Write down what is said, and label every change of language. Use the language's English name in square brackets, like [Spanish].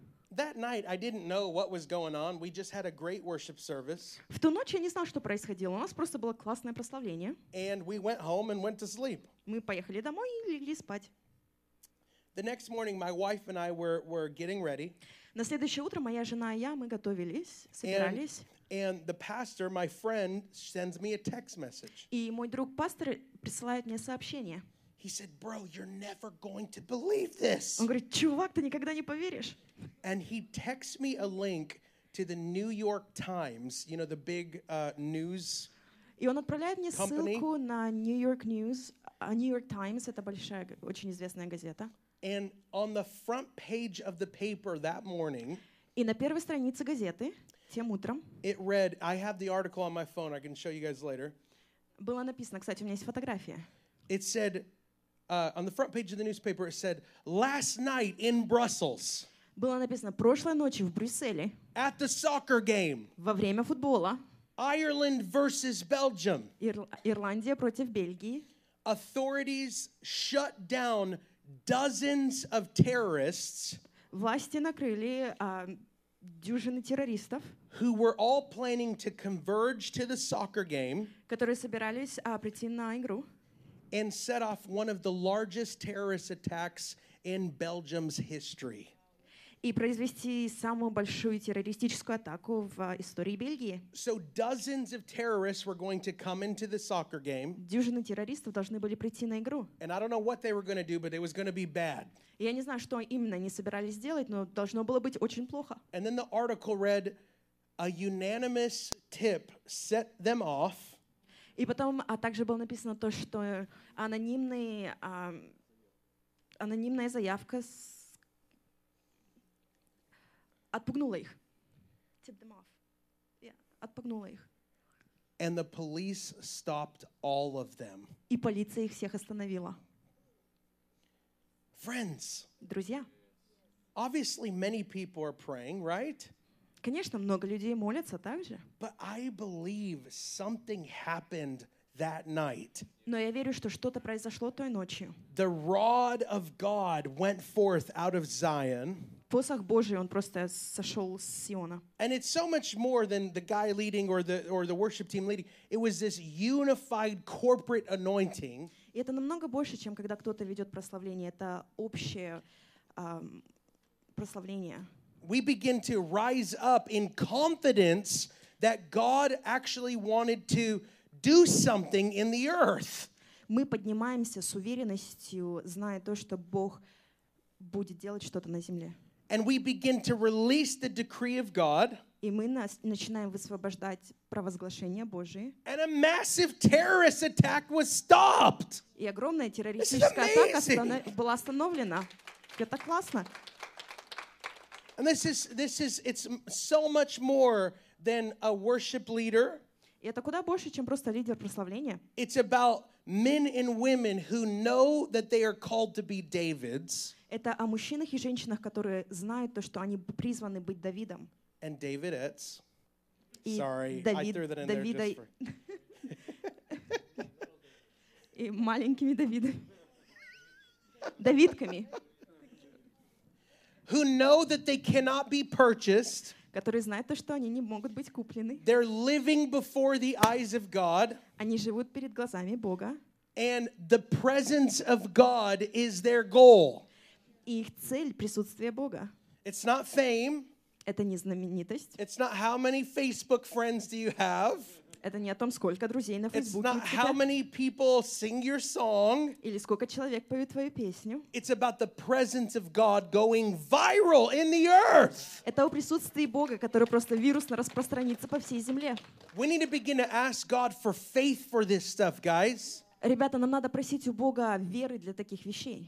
[English] That night I didn't know what was going on. We just had a great worship service. [Russian] В ту ночь я не знал, что происходило. У нас просто было классное прославление. [English] And we went home and went to sleep. [Russian] Мы поехали домой и легли спать. [English] The next morning my wife and I were getting ready. [Russian] На следующее утро моя жена и я мы готовились, собирались. [English] And the pastor, my friend, sends me a text message. [Russian] И мой друг пастор присылает мне сообщение. [English] He said, "Bro, you're never going to believe this." [Russian] Он говорит: "Чувак, ты никогда не поверишь." [English] And he texts me a link to the New York Times, you know, the big news. [Russian] И он отправляет мне ссылку на New York News, New York Times, это большая, очень известная газета. [English] And on the front page of the paper that morning. [Russian] И на первой странице газеты тем утром. [English] It read, I have the article on my phone, I can show you guys later. [Russian] Было написано, кстати, у меня есть фотография. [English] It said, on the front page of the newspaper, it said, last night in Brussels. [Russian] Было написано, прошлой ночью в Брюсселе. [English] At the soccer game. [Russian] Во время футбола. [English] Ireland versus Belgium. [Russian] Ирландия против Бельгии. [English] Authorities shut down dozens of terrorists. [Russian] Власти накрыли дюжины террористов, [English] who were all planning to converge to the soccer game, [Russian] которые собирались прийти на игру, [English] and set off one of the largest terrorist attacks in Belgium's history. [Russian] И произвести самую большую террористическую атаку в истории Бельгии. [English] So dozens of terrorists were going to come into the soccer game. [Russian] Дюжины террористов должны были прийти на игру. [English] And I don't know what they were going to do, but it was going to be bad. [Russian] Я не знаю, что именно они собирались сделать, но должно было быть очень плохо. [English] And then the article read, a unanimous tip set them off. [Russian] И потом также было написано то, что анонимная заявка отпугнула их. [English] Tip them off. Yeah, [Russian] отпугнула их. [English] And the police stopped all of them. [Russian] И полиция их всех остановила. [English] Friends. [Russian] Друзья. [English] Obviously many people are praying, right? [Russian] Конечно, много людей молятся также. [English] But I believe something happened that night. [Russian] Но я верю, что что-то произошло той ночью. [English] The rod of God went forth out of Zion. [Russian] Посох Божий, он просто сошёл с Сиона. [English] And it's so much more than the guy leading or the worship team leading. It was this unified corporate anointing. [Russian] Это намного больше, чем когда кто-то ведёт прославление. Это общее прославление. [English] We begin to rise up in confidence that God actually wanted to do something in the earth. [Russian] Мы поднимаемся с уверенностью, зная то, что Бог будет делать что-то на земле. [English] And we begin to release the decree of God. [Russian] И мы начинаем высвобождать провозглашение Божие. [English] And a massive terrorist attack was stopped. [Russian] И огромная террористическая атака была остановлена. Это классно. [English] And this is it's so much more than a worship leader. [Russian] Это куда больше, чем просто лидер прославления. [English] It's about men and women who know that they are called to be David's. [Russian] Это о мужчинах и женщинах, которые знают то, что они призваны быть Давидом. [English] And Davidettes. Sorry, I threw that in [Russian] Davida... [English] there just for. [Russian] И маленькими Давидами. Давидками. [English] Who know that they cannot be purchased. [Russian] Которые знают то, что они не могут быть куплены. [English] They're living before the eyes of God. [Russian] Они живут перед глазами Бога. [English] And the presence of God is their goal. [Russian] Их цель — присутствие Бога. [English] It's not fame. [Russian] Это не знаменитость. [English] It's not how many Facebook friends do you have. [Russian] Это не о том, сколько друзей на Фейсбуке. [English] It's not how many people sing your song. [Russian] Или сколько человек поют твою песню. [English] It's about the presence of God going viral in the earth. [Russian] Это о присутствии Бога, которое просто вирусно распространится по всей земле. [English] We need to begin to ask God for faith for this stuff, guys. [Russian] Ребята, нам надо просить у Бога веры для таких вещей.